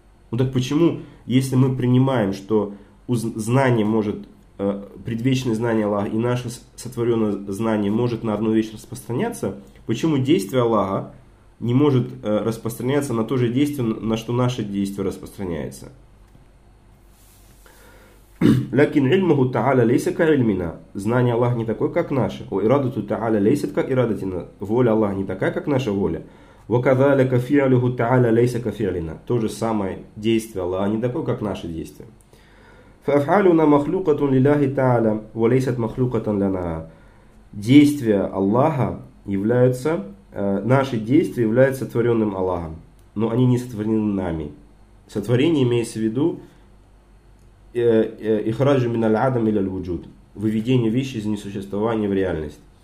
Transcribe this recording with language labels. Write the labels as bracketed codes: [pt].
[ru] Ну так почему, если мы принимаем, что знание может, предвечное знание Аллаха и наше сотворенное знание может на одну вещь распространяться, почему действие Аллаха не может распространяться на то же действие, на что наше действие распространяется? [ar] لكن علمه تعالى ليس كعلمنا. [ru] Знание Аллаха не такое, как наше. [ar] وإرادة تعالى ليست كإرادتنا. [ru] Воля Аллаха не такая, как наша воля. [ar] وكذلك فعله تعالى ليس كفعلنا. [ru] То же самое действие Аллаха не такое, как наше действие. [ar] فأفعالنا مخلوقة لله تعالى وليست مخلوقة لنا. [ru] Действия Аллаха являются, наши действия являются сотворенным Аллахом. Но они не сотворены нами. Сотворение имеется в виду [ar] ихраджу мин аль-адам иля аль-вуджуд, [ru] выведение вещи из несуществования в реальность.